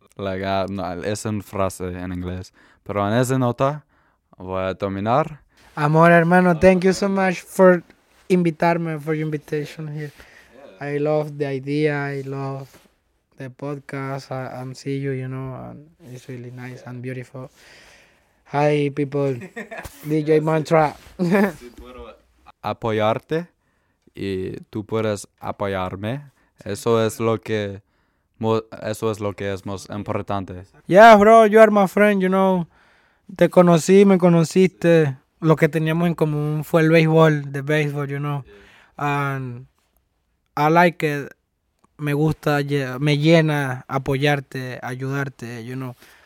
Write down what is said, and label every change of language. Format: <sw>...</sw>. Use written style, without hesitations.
<en>Like,</en> <es>no, es una frase en inglés, pero en esta nota voy a terminar. Amor, hermano,</es> <en>thank you so much for invitarme, for your invitation here. I love the idea, I love the podcast, I'm see you, you know, and it's really nice and beautiful. Hi, people, DJ Mantra.</en> <es>Apoyarte y tú puedes apoyarme, eso es lo que, eso es lo que es más importante.</es> <en>Yeah, bro, you are my friend, you know,</en> <es>te conocí, me conociste, lo que teníamos en común fue el béisbol,</es> <en>the baseball, you know, and I like it,</en> <es>me gusta, me llena apoyarte, ayudarte,</es> <en>you know.</en>